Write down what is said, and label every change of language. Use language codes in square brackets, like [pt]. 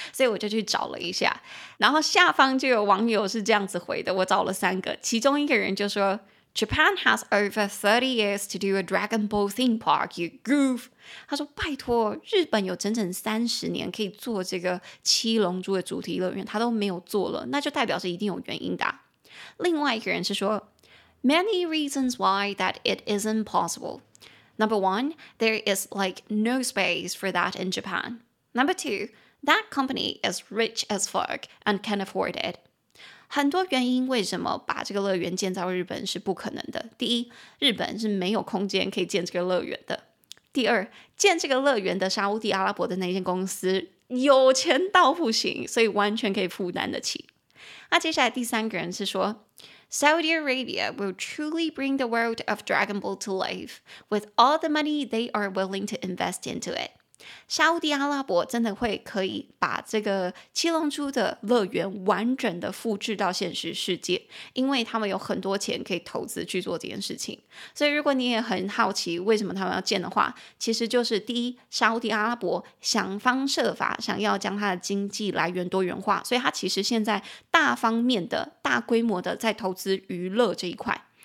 [zh] 所以我就去找了一下，然后下方就有网友是这样子回的，我找了三个，其中一个人就说 [en] Japan has over 30 years to do a Dragon Ball theme park, you goof. [zh] 他说拜托，日本有整整30年可以做这个七龙珠的主题乐园，他都没有做了，那就代表是一定有原因的。另外一个人是说 [en] Many reasons why that it isn't possible. Number one, there is like no space for that in Japan. Number two, that company is rich as fuck and can afford it. [zh] 很多原因为什么把这个乐园建造日本是不可能的。第一，日本是没有空间可以建这个乐园的。第二，建这个乐园的沙烏地阿拉伯的那间公司有钱到不行，所以完全可以负担得起。那接下来第三个人是说 [en] Saudi Arabia will truly bring the world of Dragon Ball to life with all the money they are willing to invest into it. [zh] 沙烏地阿拉伯真的会可以把这个七龙珠的乐园完整的复制到现实世界，因为他们有很多钱可以投资去做这件事情。所以如果你也很好奇为什么他们要建的话，其实就是第一，沙烏地阿拉伯想方设法想要将他的经济来源多元化，所以他其实现在大方面的大规模的在投资娱乐这一块。